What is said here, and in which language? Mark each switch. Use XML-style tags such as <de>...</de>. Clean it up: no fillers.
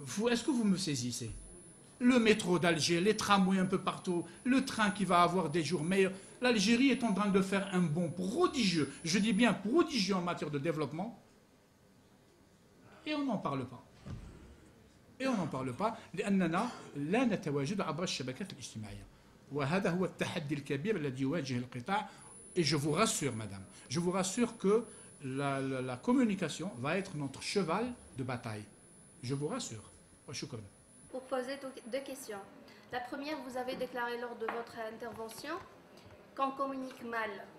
<fr>Est-ce que vous me saisissez? Le métro d'Alger, les tramways un peu partout, le train qui va avoir des jours meilleurs. L'Algérie est en train de faire un bond prodigieux. Je dis bien prodigieux en matière de développement. Et on n'en parle pas.</fr> <ar>لأننا لا نتواجد عبر الشبكات الاجتماعية. وهذا هو التحدي الكبير الذي يواجه القطاع.</ar> <fr>Et je vous rassure, madame, je vous rassure que la communication va être notre cheval de bataille. Je vous rassure. Pour poser deux questions. La première, vous avez déclaré lors de votre intervention qu'on communique mal.</fr>